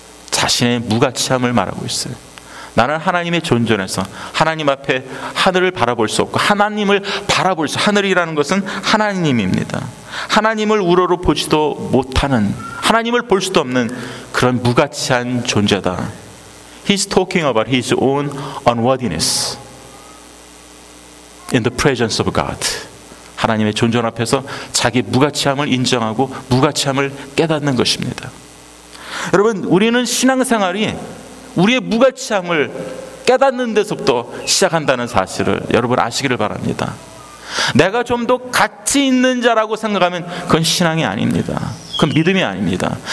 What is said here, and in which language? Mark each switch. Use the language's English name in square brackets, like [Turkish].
[Korean] 자신의 무가치함을 말하고 있어요. 나는 하나님의 존전에서 하나님 앞에 하늘을 바라볼 수 없고 하나님을 바라볼 수 하늘이라는 것은 하나님입니다. 하나님을 우러러 보지도 못하는 하나님을 볼 수도 없는 그런 무가치한 존재다. [English] He's talking about his own unworthiness in the presence of God. [Korean] 하나님의 존전 앞에서 자기 무가치함을 인정하고 무가치함을 깨닫는 것입니다. 여러분 우리는 신앙생활이 우리의 무가치함을 깨닫는 데서부터 시작한다는 사실을 여러분 아시기를 바랍니다. 내가 좀 더 가치 있는 자라고 생각하면 그건 신앙이 아닙니다. 그건 믿음이 아닙니다.